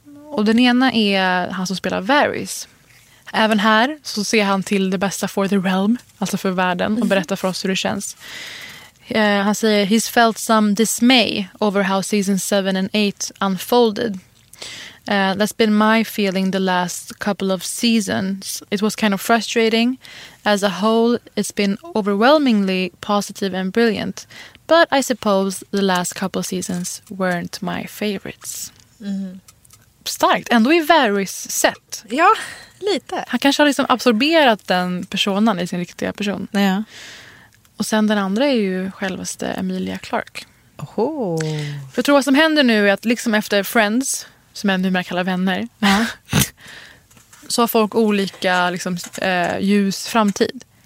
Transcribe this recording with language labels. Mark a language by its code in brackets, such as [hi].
[sv] Och den ena är han som spelar Varys. Även här så ser han till det bästa [en] for the realm, [sv] alltså för världen, och berättar för oss hur det känns. Han säger, [en] he's felt some dismay over how season 7 and 8 unfolded. That's been my feeling the last couple of seasons. It was kind of frustrating. As a whole, it's been overwhelmingly positive and brilliant. But I suppose the last couple of seasons weren't my favorites. Mm. [sv] Starkt, ändå i Varys sätt. Ja, lite. Han kanske har liksom absorberat den personen i sin riktiga person. Ja. Och sen den andra är ju självaste Emilia Clarke. Oho. För jag tror vad som händer nu är att liksom efter Friends, som jag numera kallar vänner, så har folk olika liksom, ljus framtid.